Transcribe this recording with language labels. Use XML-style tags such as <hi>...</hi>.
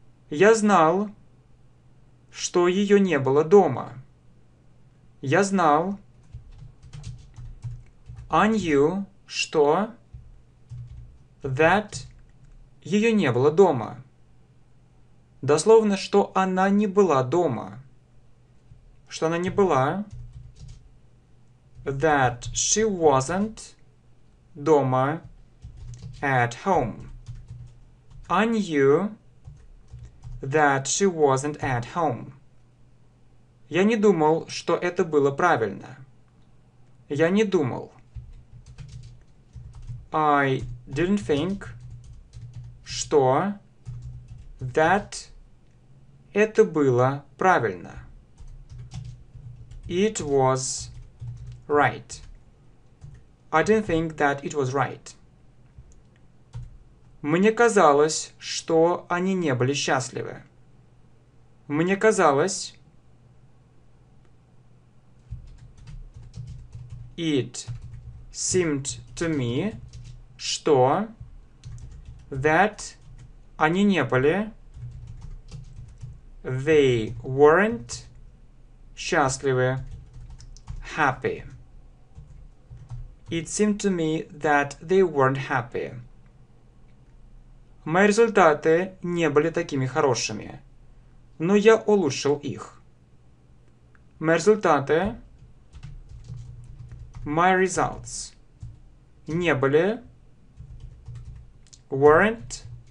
<ru>Я знал, что ее не было дома. Я знал.</ru> <en>I knew,</en> <ru>что</ru> <en>that</en> <ru>ее не было дома. Дословно, что она не была дома. Что она не была.</ru> <en>That she wasn't</en> <ru>дома,</ru> <en>at home. I knew that she wasn't at home.</en> <ru>Я не думал, что это было правильно. Я не думал.</ru> <en>I didn't think</en> <ru>что</ru> <en>that</en> <ru>это было правильно.</ru> <en>It was right. I didn't think that it was right.</en> <ru>Мне казалось, что они не были счастливы. Мне казалось...</ru> <en>It seemed to me,</en> <ru>что...</ru> <en>That</en> <ru>они не были...</ru> <en>They weren't</en> <ru>счастливы.</ru> <en>Happy. It seemed to me that they weren't happy.</en> <ru>Мои результаты не были такими хорошими, но я улучшил их. Мои результаты...</ru> <en>My results.</en> <ru>Не были...</ru> <en>Weren't...</en>